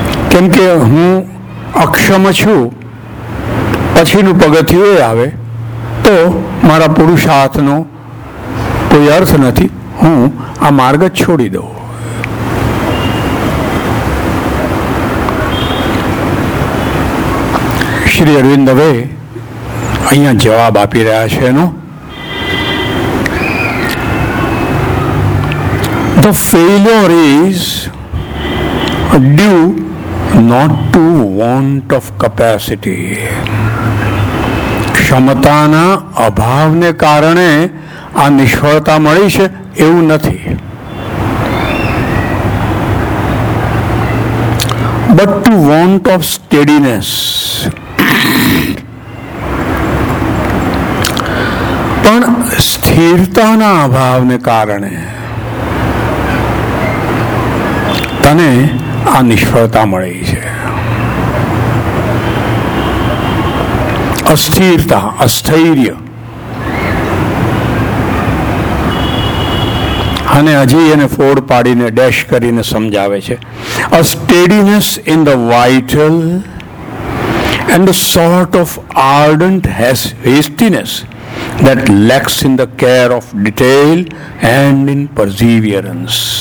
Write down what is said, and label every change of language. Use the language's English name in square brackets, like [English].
[Gujarati] કેમ કે હું અક્ષમ છું, પછીનું પગથિયું આવે તો મારા પુરુષાર્થનો કોઈ અર્થ નથી, હું આ માર્ગ જ છોડી દઉં. શ્રી અરવિંદ હવે અહીંયા જવાબ આપી રહ્યા છે એનો. [English] The failure is due not to want of capacity. [Gujarati] ક્ષમતાના અભાવને કારણે આ નિષ્ફળતા મળી છે એવું નથી. [English] But to want of steadiness. [Gujarati] પણ સ્થિરતાના અભાવને કારણે તને આ નિષ્ફળતા મળી છે. અસ્થિરતા, અસ્થૈર્ય, અને હજી એને ફોડ પાડીને ડેશ કરીને સમજાવે છે, [English] A steadiness in the vital and a sort of ardent hastiness that lacks in the care of detail and in perseverance.